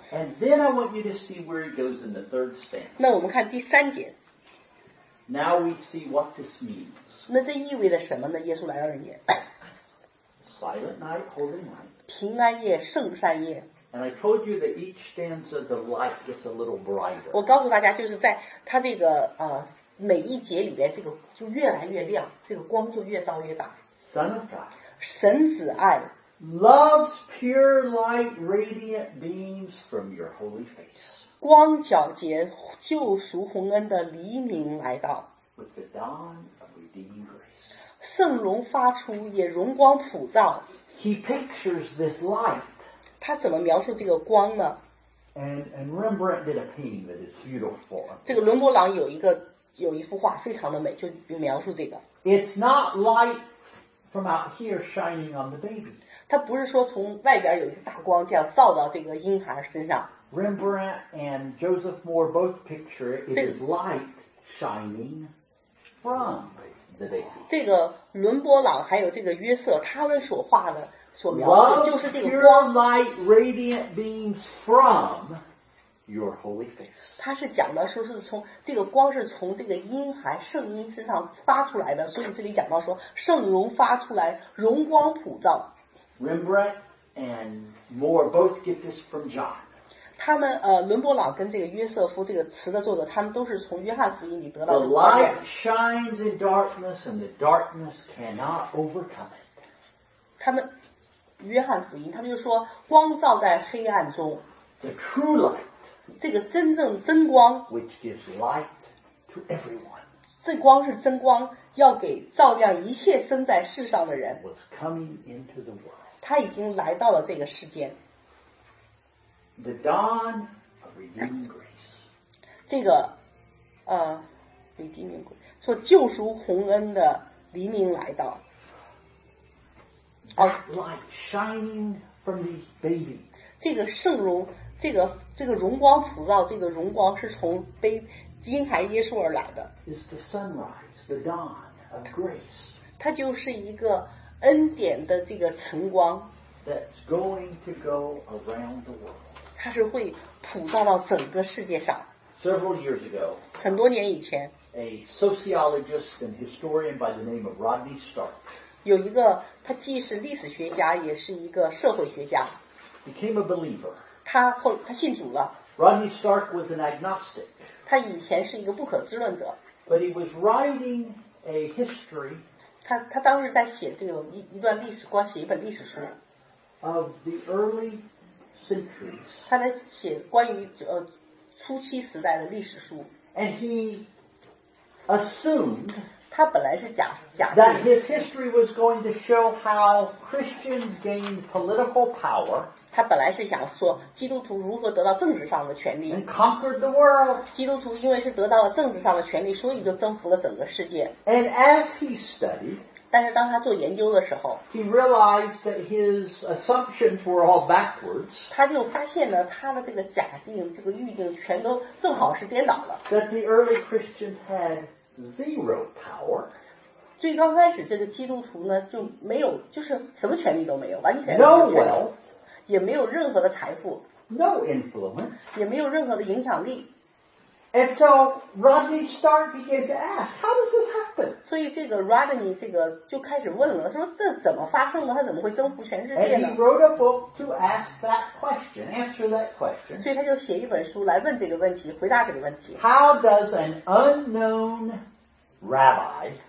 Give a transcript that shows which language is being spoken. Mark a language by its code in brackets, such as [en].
[en] And then I want you to see where it goes in the third stanza。 [zh] 那我们看第三节。 [en] Now we see what this means。 [zh] 那这意味着什么呢？耶稣来到人间。 [en] Silent night, holy night。 [zh] 平安夜，圣善夜。 [en] And I told you that each stanza, the light gets a little brighter. [zh] 我告诉大家，就是在它这个每一节里边，这个就越来越亮，这个光就越照越大。 [en] Son of God, [zh] 神子爱 [en] ，Love's pure light, radiant beams from your holy face. [zh] 光皎洁，救赎洪恩的黎明来到。 [en] With the dawn of redeeming grace, [zh] 圣容发出也荣光普照。 [en] He pictures this light. [zh] 他怎么描述这个光呢 [en] and Rembrandt did a painting that is beautiful. [zh] 这个伦勃朗有一幅画非常的美就描述这个。 [en] It's not light from out here shining on the baby. [zh] 他不是说从外边有一个大光这样照到这个婴孩身上。 [en] Rembrandt and Joseph Moore both picture it is light shining from the baby. [zh] 这个伦勃朗还有这个约瑟他们所画的所描述的就是这个光 [en] Love's pure light radiant beams from your holy face [zh] 他是讲的说是从这个光是从这个婴孩圣婴身上发出来的所以这里讲到说圣容发出来荣光普照 [en] Rembrandt and Moore both get this from John [zh] 他们伦勃朗跟这个约瑟夫这个词的作者他们都是从约翰福音里得到的 [en] The light shines in darkness and the darkness cannot overcome it [zh] 他们约翰福音，他们就说光照在黑暗中。 [en] The true light， [zh] 这个真正真光 [en] ，which gives light to everyone. [zh] 这光是真光，要给照亮一切生在世上的人。 [en] Was coming into the world. [zh] 他已经来到了这个世间。 [en] The dawn of redeeming grace. [zh] 这个， [en] redeeming grace， [zh] 说救赎红恩的黎明来到。 [en] That light shining from the baby. [zh] 这个圣容，这个荣光普照，这个荣光是从杯婴孩耶稣而来的。 [en] Is the sunrise, the dawn of grace. [zh] 它就是一个恩典的这个晨光。 [en] That's going to go around the world. [zh] 它是会普照到整个世界上。 [en] Several years ago, [zh] 很多年以前， [en] a sociologist and historian by the name of Rodney Stark. [zh] 有一个，他既是历史学家，也是一个社会学家。 [en] Became a believer. [zh] 他信主了。 [en] Rodney Stark was an agnostic. [zh] 他以前是一个不可知论者。 [en] But he was writing a history. [zh] 他当时在写这个一段历史，光写一本历史书。 [en] Of the early centuries. [zh] 他在写关于初期时代的历史书。 [en] And he assumed. [zh] 他本来是假定。 [en] That his history was going to show how Christians gained political power. [zh] 他本来是想说基督徒如何得到政治上的权利。 [en] And conquered the world. [zh] 基督徒因为是得到了政治上的权利，所以就征服了整个世界。 [en] And as he studied, [zh] 但是当他做研究的时候， [en] he realized that his assumptions were all backwards. [zh] 他就发现了他的这个假定，这个预定全都正好是颠倒了。 [en] That the early Christians had zero power. [zh] 最刚开始这个基督徒呢就没有，就是什么权利都没有，完全没有权利。 [en] No wealth. [zh] 也没有任何的财富。 [en] No influence. [zh] 也没有任何的影响力。 [en] And so Rodney Stark began to ask, how does this happen? [zh] 所以这个 Rodney 这个就开始问了，说这怎么发生的，他怎么会征服全世界呢？ [en] And he wrote a book to ask that question, answer that question. [zh] 所以他就写一本书来问这个问题，回答这个问题。 [en] How does an unknown rabbi,